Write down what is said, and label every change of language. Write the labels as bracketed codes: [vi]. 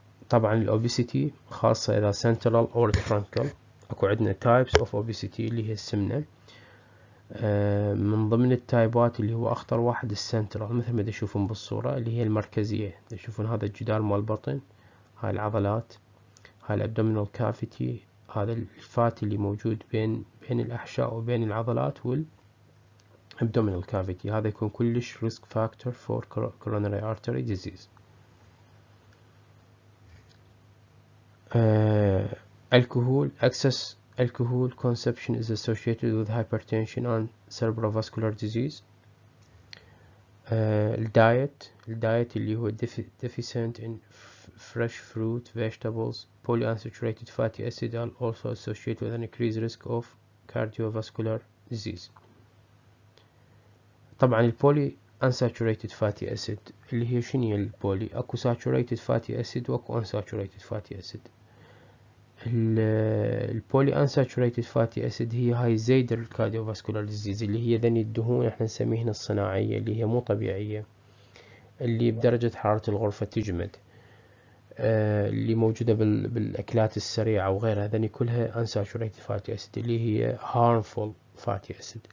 [ar] طبعا الاوبيسيتي خاصه اذا سنترال او فرانكل، اكو عندنا تايبس اوف اوبيسيتي اللي هي السمنه، من ضمن التايبات اللي هو اخطر واحد السنترال مثل ما تشوفون بالصوره اللي هي المركزيه، تشوفون هذا الجدار مال البطن، هاي العضلات، هاي الابدومينال كافيتي، هذا الفات اللي موجود بين الاحشاء وبين العضلات وال abdominal cavity، هذا يكون كلش [en] risk factor for coronary artery disease. الكحول excess alcohol consumption is associated with hypertension and cerebrovascular disease. [ar] الدايت اللي هو [en] deficient in fresh fruit vegetables polyunsaturated fatty acid are also associated with an increased risk of cardiovascular disease. [ar] طبعا البولي انساتوريتد فاتي اسيد اللي هي شنو هي البولي؟ اكو ساتوريتد فاتي اسيد واكو انساتوريتد فاتي اسيد. البولي انساتوريتد فاتي اسيد هي هاي زايد الكارديو فاسكولار ديزيز، اللي هي ذني الدهون احنا نسميها الصناعيه اللي هي مو طبيعيه، اللي بدرجه حراره الغرفه تجمد، اللي موجوده بالاكلات السريعه وغيرها، ذني كلها انساتوريتد فاتي اسيد اللي هي هارمفول فاتي اسيد.